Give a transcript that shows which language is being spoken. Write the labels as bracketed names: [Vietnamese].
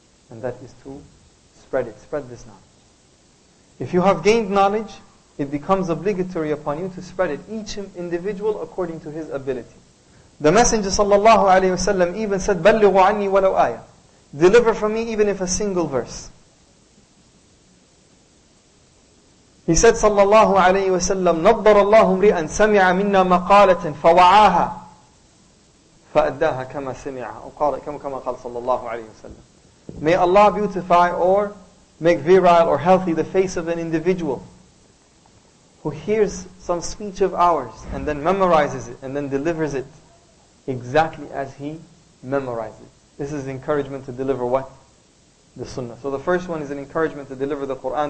[English] And that is to spread it, spread this knowledge. If you have gained knowledge, it becomes obligatory upon you to spread it, each individual according to his ability. The Messenger sallallahu alayhi wasallam even said, بَلِّغُ عَنِّي وَلَوْ آيَةً. Deliver from me even if a single verse. [Arabic] He said, sallallahu alayhi wa sallam, نَضَّرَ اللَّهُ مْرِئًا سَمِعَ مِنَّا مَقَالَةٍ فَوَعَاهَا فَأَدَّاهَا كَمَا سَمِعَ وَقَالَ كَمَا قَالَ sallallahu alayhi wa sallam. [English] May Allah beautify or make virile or healthy the face of an individual who hears some speech of ours and then memorizes it and then delivers it exactly as he memorizes it. This is encouragement to deliver what? The sunnah. So the first one is an encouragement to deliver the Qur'an.